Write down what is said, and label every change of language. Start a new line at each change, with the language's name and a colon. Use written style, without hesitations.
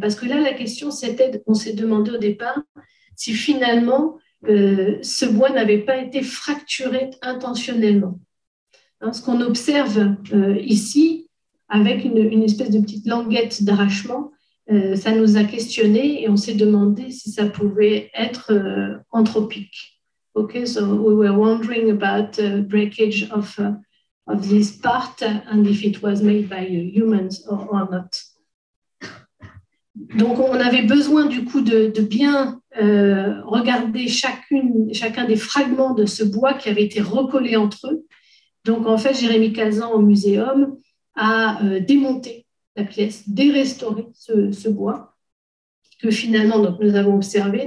French: Parce que là, la question, c'était, on s'est demandé au départ si finalement ce bois n'avait pas été fracturé intentionnellement. Ce qu'on observe ici, avec une espèce de petite languette d'arrachement, ça nous a questionné et on s'est demandé si ça pouvait être anthropique.
English: Ok, so we were wondering about breakage of this part and if it was made by humans or not.
French: Donc, on avait besoin du coup de bien regarder chacun des fragments de ce bois qui avait été recollé entre eux. Donc, en fait, Jérémy Cazan, au muséum, a démonté la pièce, dérestauré ce bois que finalement donc, nous avons observé.